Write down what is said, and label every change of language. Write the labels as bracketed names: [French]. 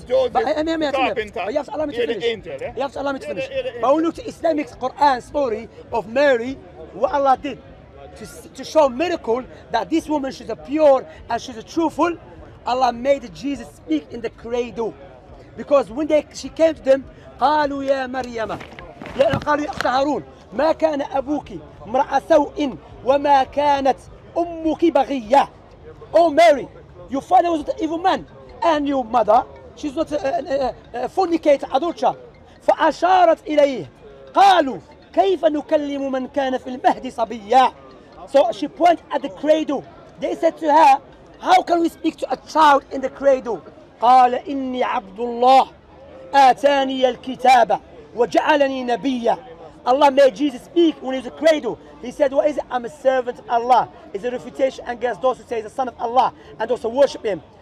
[English] No, Joseph but, Carpenter. But you have to allow me to finish. You have to allow me to finish. But when we look to Islamic Quran story of Mary, what Allah did to show miracle that this woman, she's a pure and she's a truthful, Allah made Jesus speak in the cradle. Because when she came to them, [Arabic] قالوا يا مريم يا قالوا يا أخت هارون ما كان أبوك امرأ سوء وما كانت أمك بغية. [English] Oh Mary, your father was an evil man and your mother, she's not a fornicator, adulterer. [Arabic] فأشارت إليه قالوا كيف نكلم من كان في المهدي صبيا. [English] So she pointed at the cradle. They said to her, how can we speak to a child in the cradle? [Arabic] قال إني عبد الله آتاني الكتاب وجعلني نبيا. [English] Allah made Jesus speak when he was a cradle. He said, what is it? I'm a servant of Allah. It's a refutation against those who say he's a son of Allah and those who worship him.